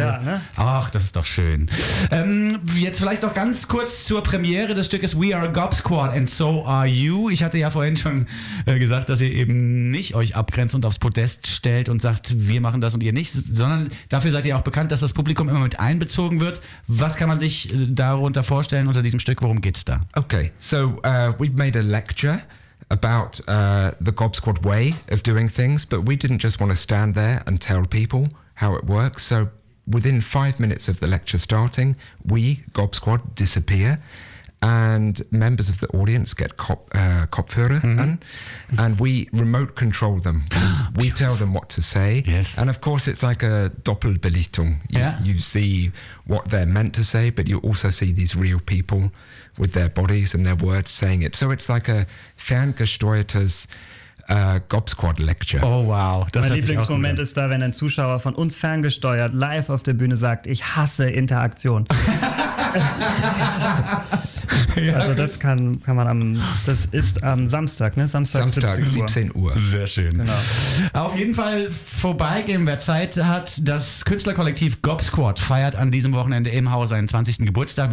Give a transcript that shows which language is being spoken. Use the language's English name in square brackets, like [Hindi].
[German] Ja, ne? Ach, das ist doch schön. Jetzt vielleicht noch ganz kurz zur Premiere des Stückes We Are Gob Squad and So Are You. Ich hatte ja vorhin schon gesagt, dass ihr eben nicht euch abgrenzt und aufs Podest stellt und sagt, wir machen das und ihr nicht, sondern dafür seid ihr auch bekannt, dass das Publikum immer mit einbezogen wird. Was kann man sich darunter vorstellen unter diesem Stück? Worum geht's da? [English] Okay, so we've made a lecture about the Gob Squad way of doing things, but we didn't just want to stand there and tell people how it works. So within 5 minutes of the lecture starting, we, Gob Squad, disappear. And members of the audience get Kopfhörer on, and we remote control them. We tell them what to say. Yes. And of course, it's like a Doppelbelichtung. You see what they're meant to say, but you also see these real people with their bodies and their words saying it. So it's like a ferngesteuertes Gob Squad Lecture. Oh wow. [German] Das mein Lieblingsmoment ist da, wenn ein Zuschauer von uns ferngesteuert live auf der Bühne sagt, ich hasse Interaktion. Ja, also das kann man am Samstag, ne? Samstag 17 Uhr. Sehr schön. Genau. Auf jeden Fall vorbeigehen, wer Zeit hat. Das Künstlerkollektiv Gob Squad feiert an diesem Wochenende im Haus seinen 20. Geburtstag.